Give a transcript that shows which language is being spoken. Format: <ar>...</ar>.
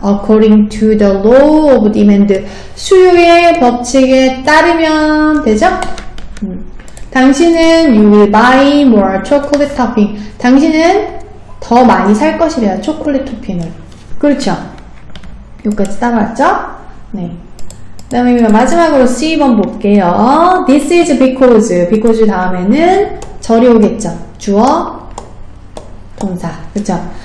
<en>According to the law of demand.</en> <ko>수요의 법칙에 따르면 되죠? 당신은</ko> <en>you will buy more chocolate topping.</en> <ko>당신은 더 많이 살 것이래요. 초콜릿 토핑을. 그렇죠? 여기까지 따라왔죠? 네. 그다음에 마지막으로 C번 볼게요.</ko> <en>This is because.</en> <ko>Because 다음에는 절이 오겠죠. 주어 동사. 그렇죠?</ko>